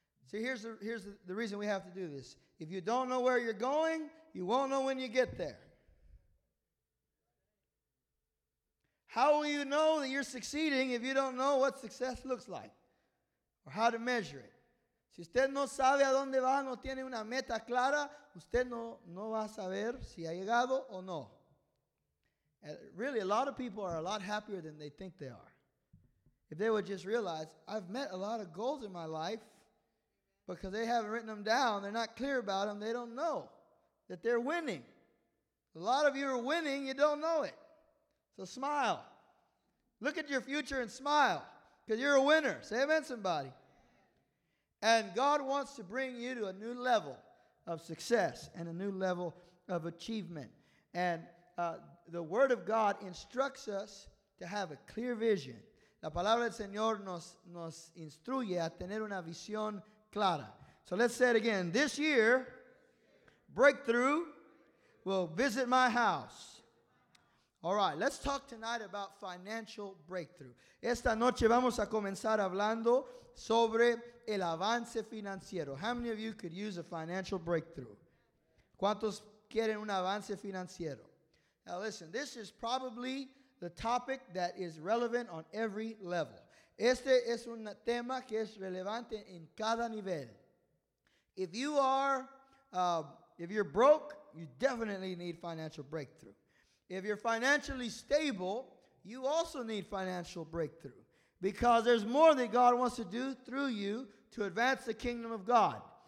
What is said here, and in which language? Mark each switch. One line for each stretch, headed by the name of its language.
English: See, here's the reason we have to do this. If you don't know where you're going, you won't know when you get there. How will you know that you're succeeding if you don't know what success looks like or how to measure it?
Spanish: Si usted no sabe a dónde va, no tiene una meta clara, usted no va a saber si ha llegado o no.
English: And really, a lot of people are a lot happier than they think they are. If they would just realize, I've met a lot of goals in my life because they haven't written them down. They're not clear about them. They don't know that they're winning. A lot of you are winning, you don't know it. So smile. Look at your future and smile, because you're a winner. Say amen, somebody. And God wants to bring you to a new level of success and a new level of achievement. And the Word of God instructs us to have a clear vision.
Spanish: La palabra del Señor nos instruye a tener una visión clara.
English: So let's say it again. This year, breakthrough will visit my house. All right, let's talk tonight about financial breakthrough.
Spanish: Esta noche vamos a comenzar hablando sobre el avance financiero.
English: How many of you could use a financial breakthrough?
Spanish: ¿Cuántos quieren un avance financiero?
English: Now listen, this is probably the topic that is relevant on every level.
Spanish: Este es un tema que es relevante en cada nivel.
English: If you are, if you're broke, you definitely need financial breakthrough. If you're financially stable, you also need financial breakthrough, because there's more that God wants to do through you to advance the kingdom of God.